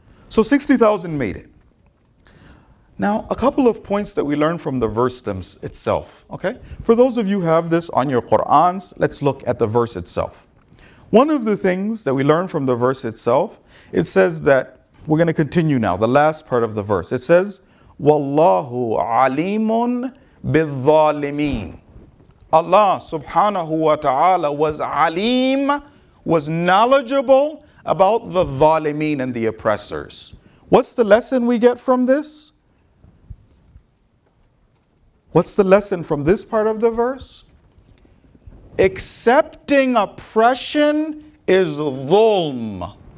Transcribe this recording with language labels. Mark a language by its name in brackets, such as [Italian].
[English] So 60,000 made it. Now, a couple of points that we learn from the verse itself, okay? For those of you who have this on your Qur'ans, let's look at the verse itself. One of the things that we learn from the verse itself, it says that, we're going to continue now, the last part of the verse. It says, [Arabic] وَاللَّهُ عَلِيمٌ بِالظَّالِمِينَ. [English] Allah subhanahu wa ta'ala was alim, was knowledgeable about the ظالمين and the oppressors. What's the lesson we get from this? What's the lesson from this part of the verse? Accepting oppression is dhulm.